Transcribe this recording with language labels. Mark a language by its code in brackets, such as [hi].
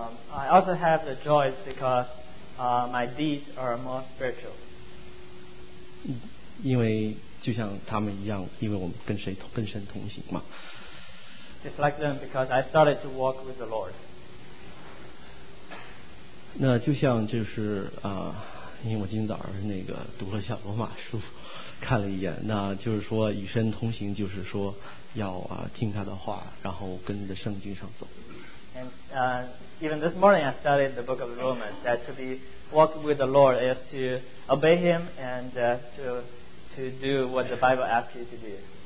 [en] I also have the joy because my deeds are more spiritual. [zh] 因为就像他们一样，因为我们跟神同行嘛。 [en] Just like them, because I started to walk with the Lord. [zh] 那就像就是因为我今早上那个读了下罗马书，看了一眼，那就是说与神同行，就是说要听他的话，然后跟着圣经上走。 [en] And even this morning I studied the book of Romans, that to be walking with the Lord is to obey him and to do what the Bible asks you to do.